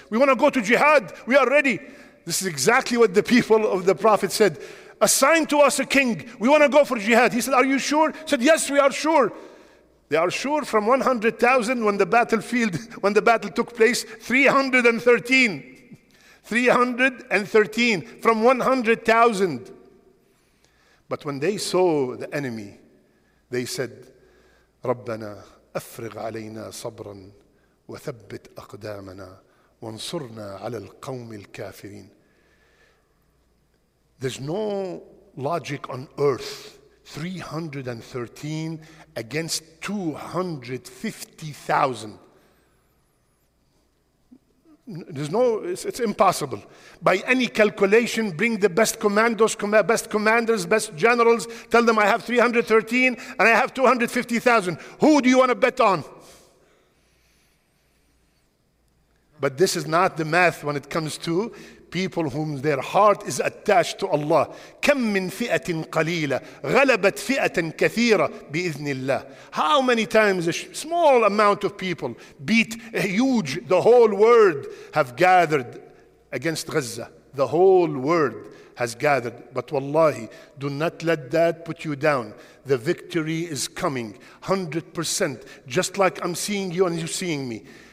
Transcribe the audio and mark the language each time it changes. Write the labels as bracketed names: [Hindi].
[English] We want to go to jihad. We are ready. This is exactly what the people of the Prophet said. Assign to us a king. We want to go for jihad. He said, are you sure? He said, yes, we are sure. They are sure from 100,000 when the battlefield, when the battle took place, 313. 313 from 100,000. But when they saw the enemy, they said, [Arabic] رَبَّنَا أَفْرِغْ عَلَيْنَا صَبْرًا وَثَبِّتْ أَقْدَامَنَا وَانْصُرْنَا عَلَى الْقَوْمِ الْكَافِرِينَ. [English] There's no logic on earth. 313 against 250,000. It's impossible. By any calculation, bring the best commandos, best commanders, best generals. Tell them I have 313 and I have 250,000. Who do you want to bet on? But this is not the math when it comes to people whom their heart is attached to Allah. [Arabic] كم من فئة قليلة غلبت فئة كثيرة بإذن الله. [English] How many times a small amount of people beat a huge, the whole world have gathered against Gaza. The whole world has gathered. But wallahi, do not let that put you down. The victory is coming 100%, just like I'm seeing you and you're seeing me.